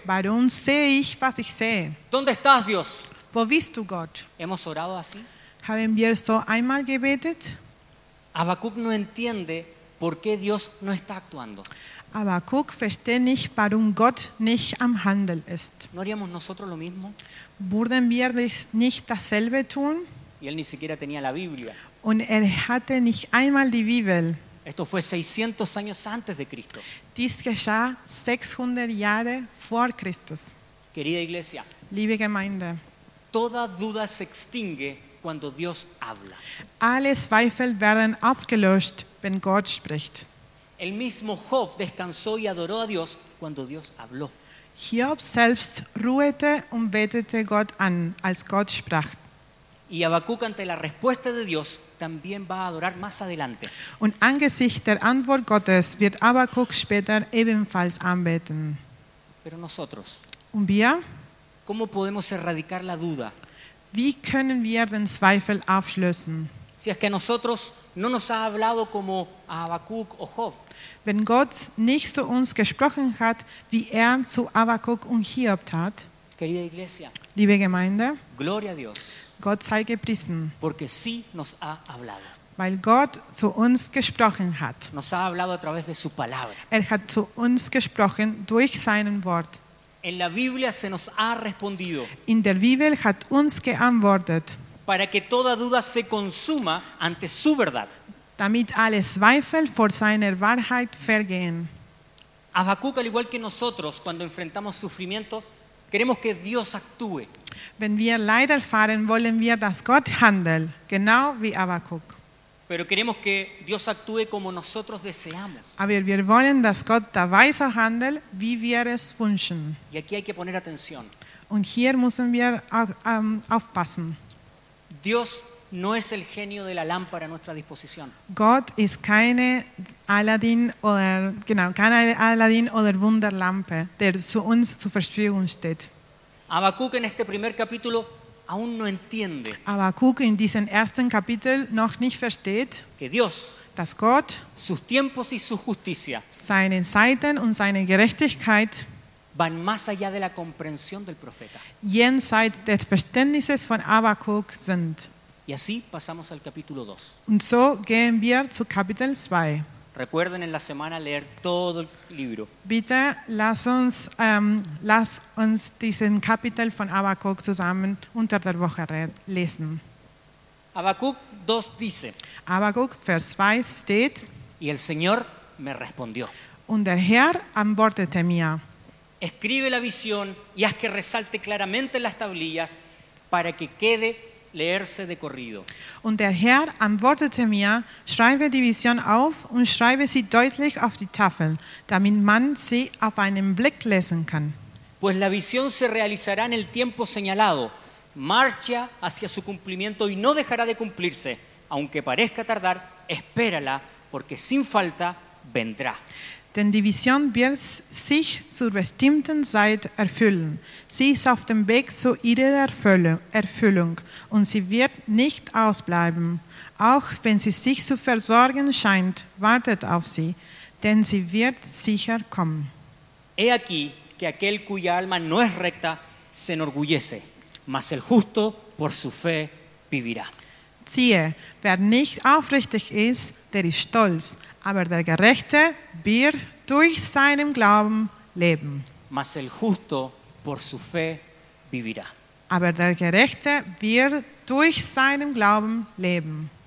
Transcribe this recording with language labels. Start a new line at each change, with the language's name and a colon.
German: Warum sehe ich, was ich sehe?
Spanish: ¿Dónde estás, Dios?
German: Wo bist du, Gott?
Spanish: ¿Hemos orado así?
German: ¿Haben wir so einmal gebetet?
Spanish: Habakkuk no entiende por qué Dios no está actuando.
German: Habakkuk versteht nicht, warum Gott nicht am Handeln ist.
Spanish: ¿No haríamos nosotros lo mismo?
German: ¿Würden wir nicht dasselbe tun?
Spanish: Y él ni siquiera tenía la Biblia.
German: Und er hatte nicht einmal die Bibel.
Spanish: Esto fue 600 años antes de Cristo.
German: Dies geschah 600 Jahre vor Christus.
Spanish: Querida iglesia,
German: liebe Gemeinde,
Spanish: toda duda se extingue cuando Dios habla.
German: Alle Zweifel werden aufgelöscht, wenn Gott spricht.
Spanish: El mismo Job descansó y adoró a Dios cuando Dios habló.
German: Hiob selbst ruhete und betete Gott an, als Gott sprach.
Spanish: Y Habacuc ante la respuesta de Dios también va a adorar más adelante.
German: Und angesichts der Antwort Gottes wird Habakkuk später ebenfalls anbeten.
Spanish: Pero nosotros,
German: und wir?
Spanish: ¿Cómo podemos erradicar la duda?
German: Wie können wir den Zweifel auflösen?
Spanish: Si es que a nosotros no nos ha hablado como a Habakkuk o Job.
German: Wenn Gott nicht zu uns gesprochen hat, wie zu Habakkuk und Hiob tat.
Spanish: Querida iglesia.
German: Liebe Gemeinde.
Spanish: Gloria a Dios.
German: Gott sei gepriesen.
Spanish: Porque sí nos ha hablado.
German: Weil Gott zu uns gesprochen hat.
Spanish: Nos ha hablado a través de su palabra.
German: Er hat zu uns gesprochen durch sein Wort.
Spanish: En la Biblia se nos ha respondido.
German: In der Bibel hat uns geantwortet.
Spanish: Para que toda duda se consuma ante su verdad.
German: Damit alle Zweifel vor seiner Wahrheit vergehen.
Spanish: Habakkuk, al igual que nosotros, cuando enfrentamos sufrimiento, queremos que Dios actúe.
German: Wenn wir Leid erfahren, wollen wir, dass Gott handelt, genau wie Habakkuk.
Spanish: Pero queremos que Dios actúe como nosotros deseamos.
German: Aber wir wollen, dass Gott da weise handelt, wie wir es wünschen.
Spanish: Y aquí hay que poner atención.
German: Und hier müssen wir aufpassen.
Spanish: Dios no es el genio de la lámpara a nuestra disposición.
German: Gott ist keine Aladdin oder genau, keine Aladdin oder Wunderlampe, der zu uns zur Verfügung steht.
Spanish: Habakkuk en este primer capítulo aún no entiende.
German: Habakkuk in diesem ersten Kapitel noch nicht versteht,
Spanish: que Dios,
German: dass Gott,
Spanish: sus tiempos y su justicia,
German: seine Zeiten und seine Gerechtigkeit,
Spanish: van más allá de la comprensión del profeta.
German: Jenseits des Verständnisses von Habakkuk sind.
Spanish: Y así pasamos al capítulo 2.
German: Und so gehen wir zu Kapitel 2.
Spanish: Recuerden en la semana leer todo el libro.
German: Bitte lass uns diesen Kapitel von Habakkuk zusammen unter der Woche lesen.
Spanish: Habakkuk 2 dice.
German: Habakkuk Vers 2 steht.
Spanish: Y el Señor me respondió.
German: Und der Herr antwortete mir.
Spanish: Escribe la visión y haz que resalte claramente las tablillas para que quede leerse de corrido.
German: Und der Herr antwortete mir, schreibe die Vision auf und schreibe sie deutlich auf die Tafeln, damit man sie auf einen Blick lesen kann.
Spanish: Pues la visión se realizará en el tiempo señalado, marcha hacia su cumplimiento y no dejará de cumplirse, aunque parezca tardar, espérala, porque sin falta vendrá.
German: Denn die Vision wird sich zur bestimmten Zeit erfüllen. Sie ist auf dem Weg zu ihrer Erfüllung und sie wird nicht ausbleiben. Auch wenn sie sich zu versorgen scheint, wartet auf sie, denn sie wird sicher kommen.
Spanish: He aquí que aquel cuya alma no es recta se enorgullece, mas el justo por su fe vivirá.
German: Siehe, wer nicht aufrichtig ist, der ist stolz. Aber der Gerechte wird durch seinen Glauben leben.
Spanish: Mas el justo por su fe vivirá.
German: Aber der Gerechte wird durch seinen Glauben leben.